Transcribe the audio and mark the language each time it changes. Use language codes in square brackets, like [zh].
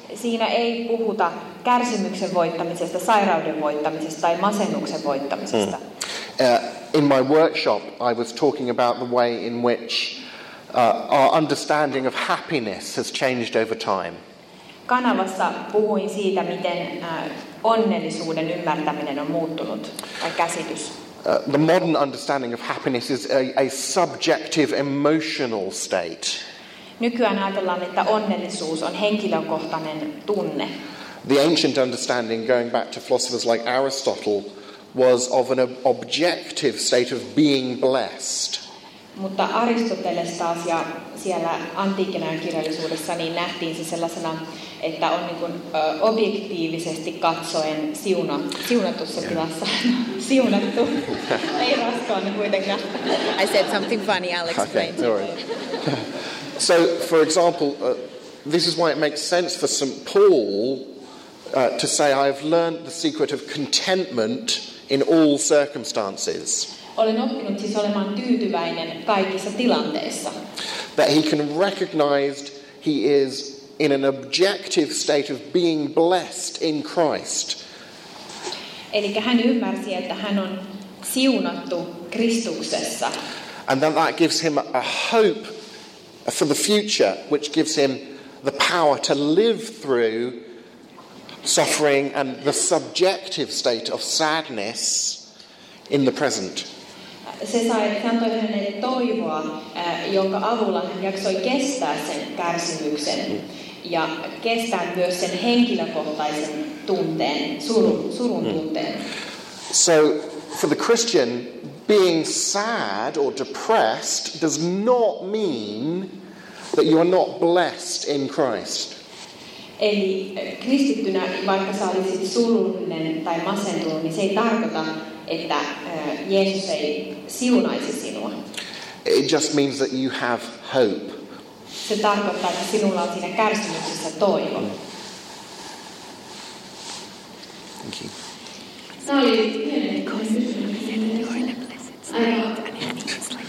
[fi] Siinä ei puhuta kärsimyksen voittamisesta, sairauden voittamisesta tai masennuksen voittamisesta. [en] In my workshop, I was talking about the way in which our understanding of happiness has changed over time. [fi] Kanavassa puhuin siitä, miten onnellisuuden ymmärtäminen on muuttunut tai käsitys. [en] The modern understanding of happiness is a subjective emotional state. [fi] Nykyään ajatellaan, että onnellisuus on henkilökohtainen tunne. [en] The ancient understanding, going back to philosophers like Aristotle, was of an objective state of being blessed. [fi] Mutta Aristoteles taas ja siellä antiikin ajan kirjallisuudessa niin nähtiin se sellaisena, että on niin kuin objektiivisesti katsoen siunattussa tilassa. Siunattu. Ei raskaan kuitenkaan. [en] I said something funny, Alex. Okay, sorry. So, for example, this is why it makes sense for St. Paul to say, I've learned the secret of contentment in all circumstances. [fi] Olen oppinut siis olemaan tyytyväinen kaikissa tilanteissa. [en] That he can recognize he is in an objective state of being blessed in Christ. [fi] Eli hän ymmärsi, että hän on siunattu Kristuksessa. [en] And that gives him a hope for the future, which gives him the power to live through suffering and the subjective state of sadness in the present. [fi] Se sai antoi hänelle toivoa, jonka avulla hän jaksoi kestää sen kärsimyksen ja kestää myös sen henkilökohtaisen tunteen, surun tunteen. [en] So for the Christian, being sad or depressed does not mean that you are not blessed in Christ. [fi] Eli kristittynä, vaikka sä olisit surullinen tai masentunut, niin se ei tarkoita, että Jeesus ei siunaisi sinua. [en] It just means that you have hope. [fi] Se tarkoittaa, että sinulla on siinä kärsimyksessä toivo. [en] Thank you. Sorry. Because you're in a blessed state. And it's like